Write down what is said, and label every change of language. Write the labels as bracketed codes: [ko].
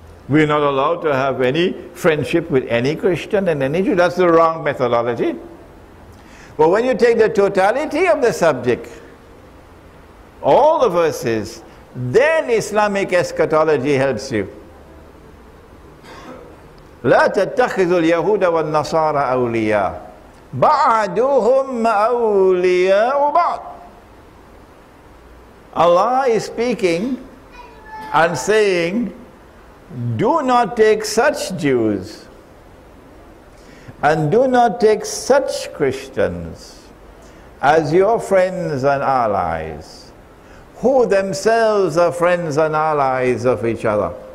[en] We're not allowed to have any friendship with any Christian and any Jew. That's the wrong methodology. But when you take the totality of the subject, all the verses, then Islamic eschatology helps you. [ar] لا تتخذوا اليهود والنصارى أولياء بعدهم أولياء بعض. [en] Allah is speaking and saying, do not take such Jews and do not take such Christians as your friends and allies, who themselves are friends and allies of each other.